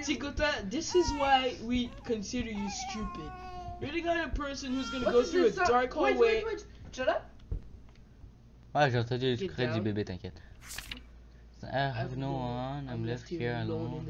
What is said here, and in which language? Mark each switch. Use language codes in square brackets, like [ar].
[en] Tikota, this is why we consider you stupid. You're the kind of person who's gonna go through a dark hallway. Shut up. [fr] Ouais, j'ai entendu le cri du bébé, t'inquiète. [en] I have no one, I'm left here alone